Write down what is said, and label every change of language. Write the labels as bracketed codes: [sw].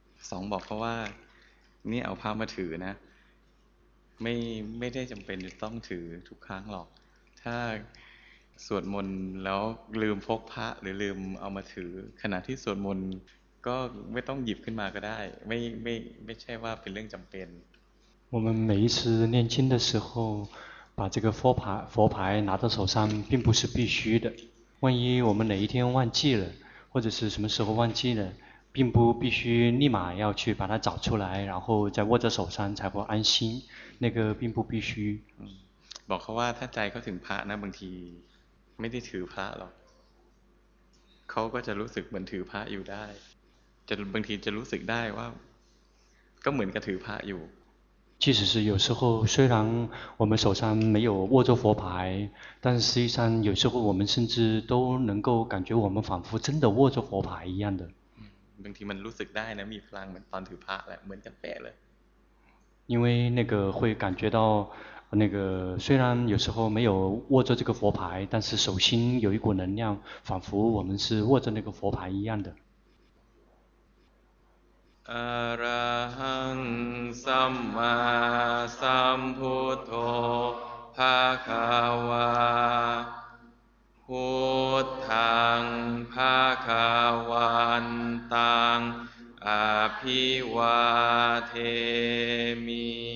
[th] สองบอกเพราะว่านี่เอาพระมาถือนะไม่ได้จำเป็นจะต้องถือทุกครั้งหรอกถ้าสวดมนต์แล้วลืมพกพระหรือลืมเอามาถือขณะที่สวดมนต์ก็ไม่ต้องหยิบขึ้นมาก็ได้ไม่ใช่ว่าเป็นเรื่องจำเป็น [zh] 我们每一次念经的时候把这个佛牌拿到手上并不是必须的，万一我们哪一天忘记了或者是什么时候忘记了，并不必须立马要去把它找出来然后再握着手上才会安心，那个并不必须。 [th] บอกเขาว่าถ้าใจเขาถึงพระนะบางทีไม่ได้ถือพระหรอกเขาก็จะรู้สึกเหมือนถือพระอยู่ได้จะบางทีจะรู้สึกได้ว่าก็เหมือนกับถือพระอยู่ [zh] 即使是有时候虽然我们手上没有握着佛牌但实际上有时候我们甚至都能够感觉我们仿佛真的握着佛牌一样的 [th] บางทีมันรู้สึกได้นะมีพลังเหมือนตอนถือพระแหละเหมือนกับเป๊ะเลย [zh] 因为那个会感觉到那个虽然有时候没有握着这个佛牌但是手心有一股能量仿佛我们是握着那个佛牌一样的 [pi] อะระหังสัมมาสัมพุทโธภะคะวาพุทธังภะคะวันตังอภิวาเทมิ